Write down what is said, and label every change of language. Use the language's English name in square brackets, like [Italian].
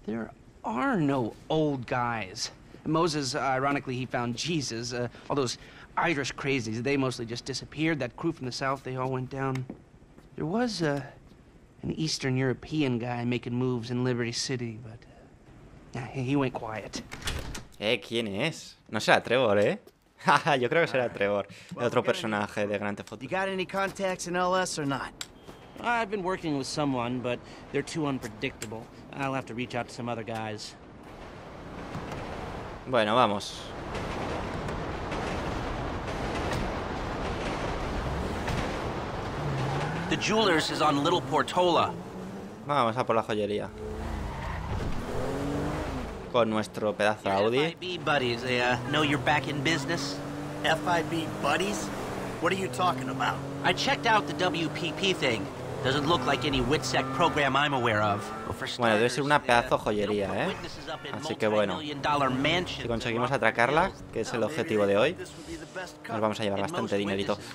[English] There are no old guys. Moses, ironically, he found Jesus. All those Irish crazies, they mostly just disappeared. That crew from the south, they all went down. There was an Eastern European guy making moves in Liberty City, but he went quiet. [Spanish] ¿Quién es? No será Trevor, Yo creo que será Trevor, el otro personaje de Grand Theft Auto. [English] You got any contacts in LS or not? I've been working with someone, but they're too unpredictable. I'll have to reach out to some other guys. [Spanish] Bueno, vamos. [English] The jeweler's is on Little Portola. [Spanish] Vamos a por la joyería. Con nuestro pedazo Audi. [English] FIB buddies, they know you're back in business. FIB buddies? What are you talking about? I checked out the WPP thing. Doesn't look like any WITSEC program I'm aware of. [Spanish] Bueno, debe ser una pedazo joyería, ¿eh? Así que bueno, si conseguimos atracarla, que es el objetivo de hoy, nos vamos a llevar bastante dinerito.